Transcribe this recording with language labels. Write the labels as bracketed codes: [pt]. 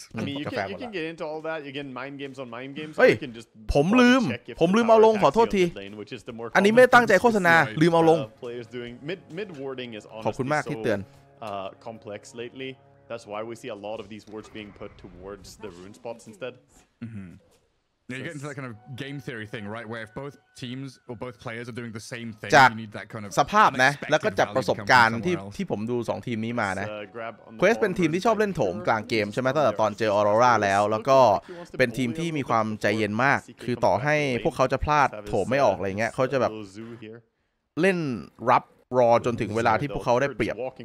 [en] I mean, you can get into all that. You can mind games on mind games. [th] Hey, ผมลืมเอาลงขอโทษทีอันนี้ไม่ตั้งใจโฆษณาลืมเอาลง [en] mid warding is [th] ขอบคุณมากที่เตือน [en] complex lately. That's why we see a lot of these wards being put towards the rune spots instead. Mm-hmm. Now you get into that kind of game theory thing, right? Where if both teams or both players are doing the same thing, you need that kind of [th] สภาพนะแล้วก็จากประสบการณ์ที่ผมดู2ทีมนี้มานะ Quest เป็นทีมที่ชอบเล่นโถมกลางเกมใช่ไหมตั้งแต่ตอนเจอออโรราแล้วก็เป็นทีมที่มีความใจเย็นมากคือต่อให้พวกเขาจะพลาดโถมไม่ออกอะไรเงี้ยเขาจะแบบเล่นรับรอจนถึงเวลาที่พวกเขาได้เปรียบ